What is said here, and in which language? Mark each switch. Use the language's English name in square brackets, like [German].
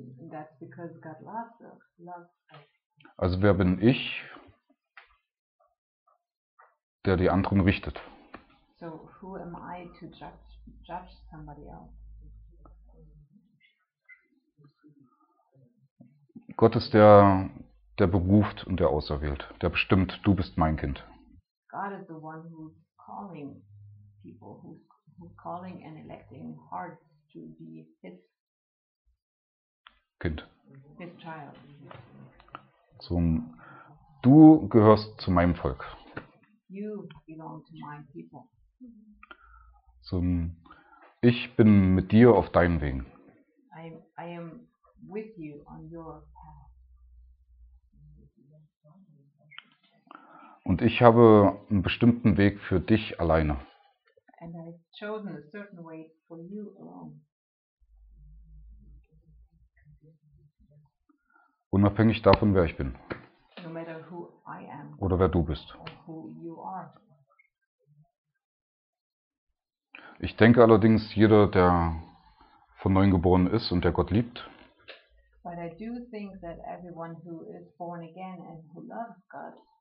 [English] That's because God loves us. [German] Also wer bin ich, der die anderen richtet? [English] So who am I to judge somebody else? [German] Gott ist der beruft und der auserwählt, der bestimmt, du bist mein Kind. [English] God is the one who's calling people, who's calling and electing hearts to be his [German] Kind. [English] His child. [German] So, du gehörst zu meinem Volk. [English] You belong to my people. [German] So, ich bin mit dir auf deinen Wegen. [English] I am with you on your path. [German] Und ich habe einen bestimmten Weg für dich alleine. [English] And I've chosen a certain way for you alone. [German] Unabhängig davon, wer ich bin. [English] No matter who I am. [German] Oder wer du bist. [English] Or who you are. [German] Ich denke allerdings, jeder, der von neuem geboren ist und der Gott liebt, [English] but I do think that everyone who is born again and who loves God,